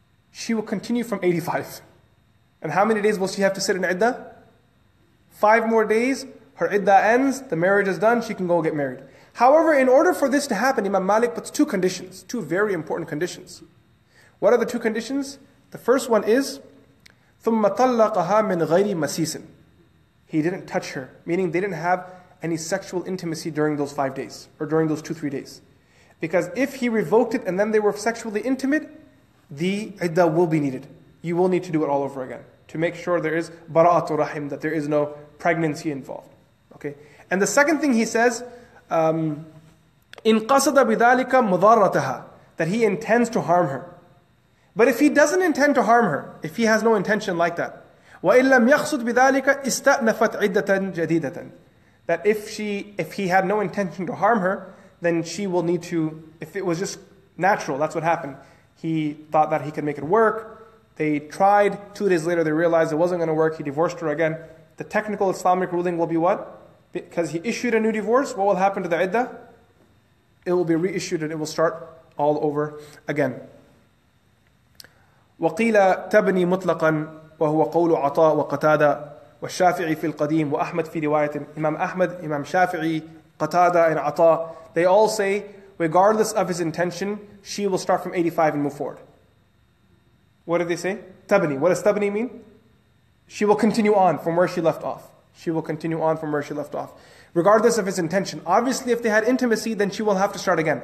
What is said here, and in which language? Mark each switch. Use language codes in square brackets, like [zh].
[en] She will continue from 85. And how many days will she have to sit in iddah? 5 more days, her iddah ends, the marriage is done, she can go get married. However, in order for this to happen, Imam Malik puts two conditions, two very important conditions. What are the two conditions? The first one is, [ar] ثُمَّ طَلَّقَهَا مِنْ غَيْرِ مَسِيسٍ. [en] He didn't touch her, meaning they didn't have any sexual intimacy during those 5 days, or during those 2-3 days. Because if he revoked it and then they were sexually intimate, the iddah will be needed. You will need to do it all over again, to make sure there is bara'atu rahim, that there is no pregnancy involved. Okay. And the second thing he says, [ar] إِنْقَصَدَ بِذَلِكَ مُضَارَّتَهَا, [en] that he intends to harm her. But if he doesn't intend to harm her, if he has no intention like that, [ar] وَإِنْ لَمْ يَخْصُدْ بِذَلِكَ إِسْتَأْنَفَتْ عِدَّةً جَدِيدَةً, [en] that if he had no intention to harm her, then she will need to, if it was just natural, that's what happened. He thought that he could make it work. They tried. 2 days later, they realized it wasn't going to work. He divorced her again. The technical Islamic ruling will be what? Because he issued a new divorce, what will happen to the iddah? It will be reissued and it will start all over again. [ar] وقيل تبني مطلقا وهو قول عطاء وقتادة والشافعي في القديم وأحمد في رواية. [en] Imam Ahmad, Imam Shafi'i, Qatada, and Ata, they all say regardless of his intention, she will start from 85 and move forward. What did they say? Tabani. What does tabani mean? She will continue on from where she left off. She will continue on from where she left off. Regardless of his intention. Obviously, if they had intimacy, then she will have to start again.